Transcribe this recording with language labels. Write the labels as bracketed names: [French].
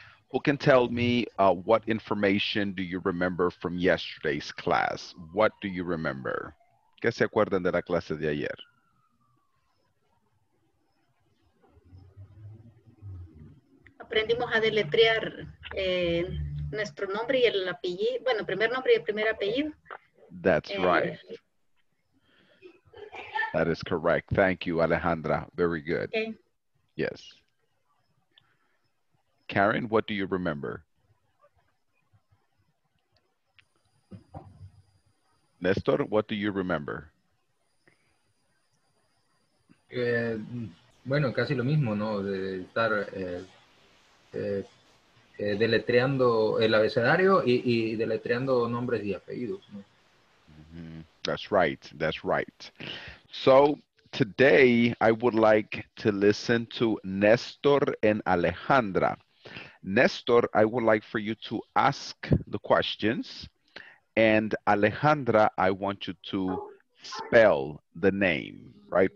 [English] Who can tell me what information do you remember from yesterday's class? What do you remember? [Spanish] ¿Qué se acuerdan de la clase de ayer? Aprendimos a deletrear nuestro nombre y el apellido. Bueno, primer nombre y el primer apellido. [English] That's right. That is correct. Thank you, Alejandra. Very good. Okay. Yes. Karen, what do you remember? Nestor, what do you remember? [Spanish] Bueno, casi lo mismo, ¿no? De estar deletreando el abecedario y deletreando nombres y apellidos, ¿no? [English] That's right. That's right. So today I would like to listen to Nestor and Alejandra. Nestor, I would like for you to ask the questions. And Alejandra, I want you to spell the name, right?